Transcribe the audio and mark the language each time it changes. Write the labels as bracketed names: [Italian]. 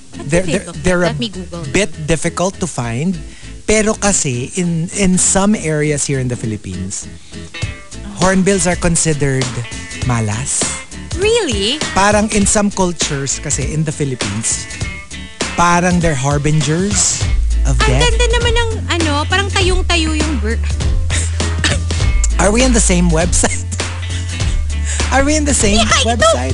[English] They're a bit difficult to find. [Filipino] Pero kasi, [English] in some areas here in the Philippines, hornbills are considered malas. Really? Parang in some cultures kasi in the Philippines, parang they're harbingers of ang death. [Filipino] Ang ganda naman ng ano, parang tayong-tayo yung bird. [English] Are we on the same website? Are we in the same website?